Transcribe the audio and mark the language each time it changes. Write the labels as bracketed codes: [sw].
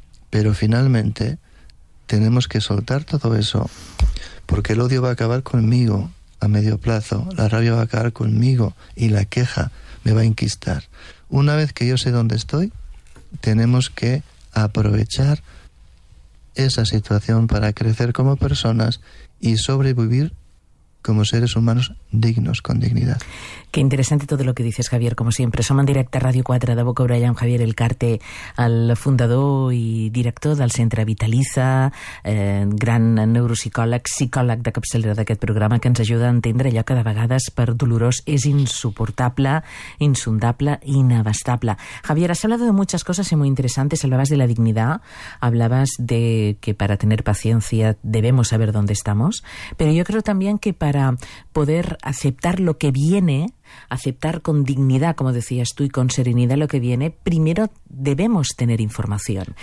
[es] Pero finalmente tenemos que soltar todo eso, porque el odio va a acabar conmigo a medio plazo, la rabia va a acabar conmigo y la queja me va a enquistar. Una vez que yo sé dónde estoy, tenemos que aprovechar esa situación para crecer como personas y sobrevivir como seres humanos dignos, con dignidad. Qué interesante todo lo que dices, Javier, como siempre. [ca] Som en directe a Ràdio 4, de boca d'Abraham Javier Elcarte, el fundador i director del Centre Vitalitza, gran neuropsicòleg, psicòleg de capçalera d'aquest programa, que ens ajuda a entendre allò que de vegades, per dolorós, és insuportable, insondable, inabastable. [es] Javier, has hablado de muchas cosas muy interesantes. Hablabas de la dignidad, hablabas de que para tener paciencia debemos saber dónde estamos, pero yo creo también que para poder aceptar lo que viene, aceptar con dignidad, como decías tú, y con serenidad lo que viene, primero debemos tener información.